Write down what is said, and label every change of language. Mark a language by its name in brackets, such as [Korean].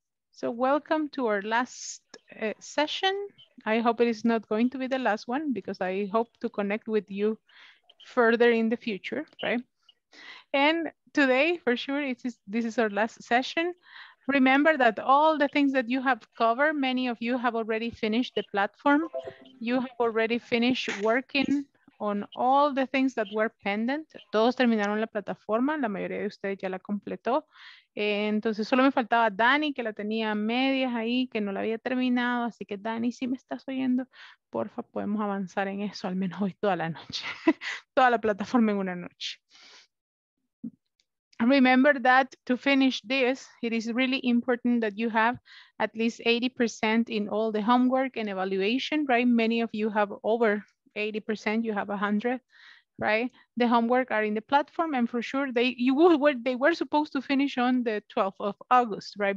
[English] So welcome to our last session. I hope it is not going to be the last one because I hope to connect with you further in the future, right? And today, for sure, this is our last session. Remember that all the things that you have covered, many of you have already finished the platform. You have already finished working on all the things that were pendent. [Spanish] Todos terminaron la plataforma, la mayoría de ustedes ya la completó. Entonces solo me faltaba Dani, que la tenía medias ahí, que no la había terminado. Así que Dani, si me estás oyendo, porfa, podemos avanzar en eso, al menos hoy toda la noche, toda la plataforma en una noche. [English] Remember that to finish this, it is really important that you have at least 80% in all the homework and evaluation, right? Many of you have over 80%, you have 100, right? The homework are in the platform, and for sure they were supposed to finish on the 12th of August, right?